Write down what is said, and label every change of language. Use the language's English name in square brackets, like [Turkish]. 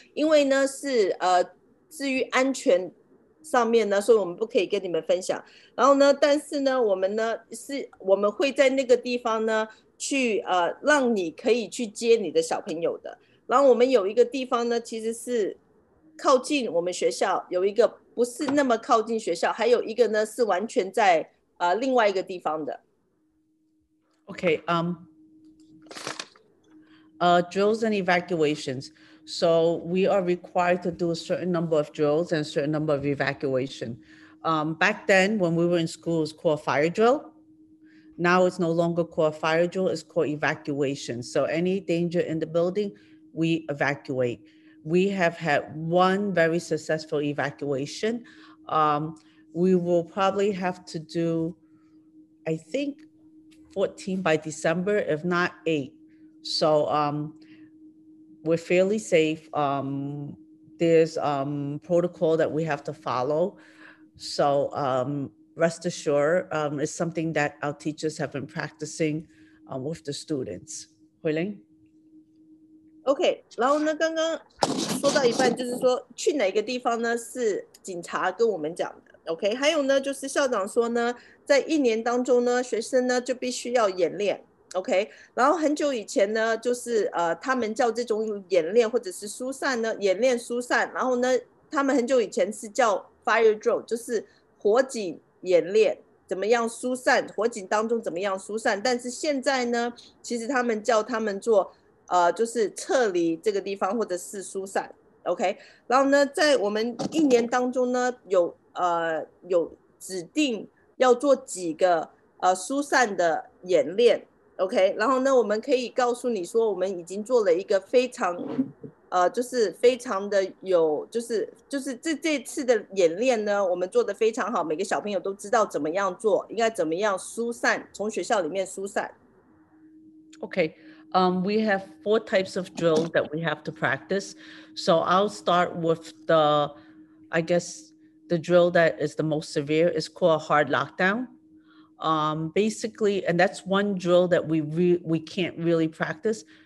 [Chinese] 因为呢, 是, 至于安全上面呢, 所以我们不可以跟你们分享, 然后呢, 但是呢, 我们呢, 是, 我们会在那个地方呢, 去, 让你可以去接你的小朋友的, 然后我们有一个地方呢, 其实是, 靠近我们学校, 有一个, 不是那么靠近学校, 还有一个呢, 是完全在, 另外一个地方的。 [English] Okay, drills and evacuations. So we are required to do a certain number of drills and a certain number of evacuation. Back then when we were in school, it was called fire drill. Now it's no longer called fire drill, it's called evacuation. So any danger in the building, we evacuate. We have had one very successful evacuation. We will probably have to do, I think, 14 by December, if not 8. So we're fairly safe. There's protocol that we have to follow. So rest assured, it's something that our teachers have been practicing with the students. Huiling? [Chinese] OK, 然后呢刚刚说到一半就是说去哪个地方呢是警察跟我们讲的 OK, 还有呢就是校长说呢在一年当中呢学生呢就必须要演练 OK, 然后很久以前呢就是他们叫这种演练或者是疏散呢演练疏散然后呢他们很久以前是叫 fire drill 就是火警演练 怎么样疏散火警当中怎么样疏散 但是现在呢其实他们叫他们做 就是撤离这个地方或者是疏散 OK 然后呢在我们一年当中呢有指定要做几个疏散的演练 OK 然后呢我们可以告诉你说我们已经做了一个非常就是非常的有就是这次的演练呢我们做得非常好每个小朋友都知道怎么样做应该怎么样疏散从学校里面疏散 [English] OK we have four types of drill that we have to practice. So I'll start with the, I guess, the drill that is the most severe is called hard lockdown. Basically, and that's one drill that we can't really practice.